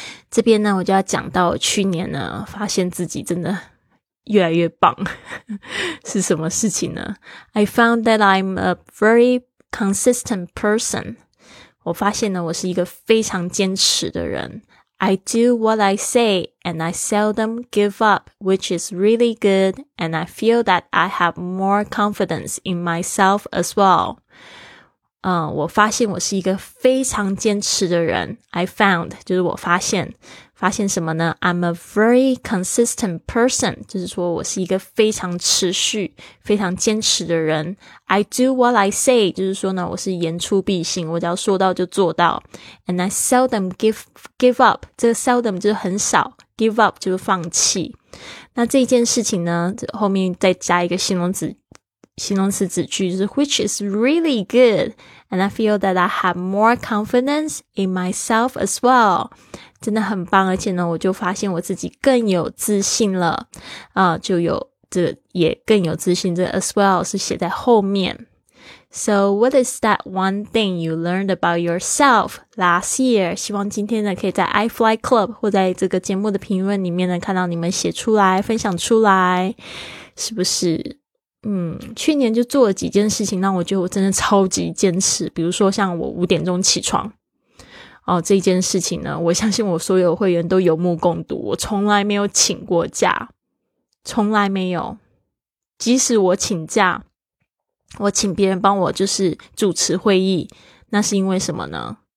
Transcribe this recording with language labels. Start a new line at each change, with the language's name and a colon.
Chinese: 这边呢我就要讲到去年呢发现自己真的越来越棒是什么事情呢？
English: I found that I'm a very consistent person.
Chinese: 我发现呢我是一个非常坚持的人。
English: I do what I say and I seldom give up, which is really good, and I feel that I have more confidence in myself as well.
Chinese: 我发现我是一个非常坚持的人。
English: I found
Chinese: 就是我发现，发现什么呢？
English: I'm a very consistent person,
Chinese: 就是说我是一个非常持续非常坚持的人。
English: I do what I say,
Chinese: 就是说呢我是言出必行，我只要说到就做到。
English: And I seldom give up,
Chinese: 这个 seldom 就是很少， give up 就是放弃。那这件事情呢后面再加一个形容词子句，就是
English: which is really good, and I feel that I have more confidence in myself as well.
Chinese: 真的很棒，而且呢我就发现我自己更有自信了，就有这也更有自信，这 as well 是写在后面。
English: So what is that one thing you learned about yourself last year?
Chinese: 希望今天呢可以在 iFly Club 或在这个节目的评论里面呢看到你们写出来分享出来，是不是去年就做了几件事情让我觉得我真的超级坚持，比如说像我5点起床哦，这件事情呢我相信我所有会员都有目共睹，我从来没有请过假，从来没有，即使我请假我请别人帮我就是主持会议，那是因为什么呢？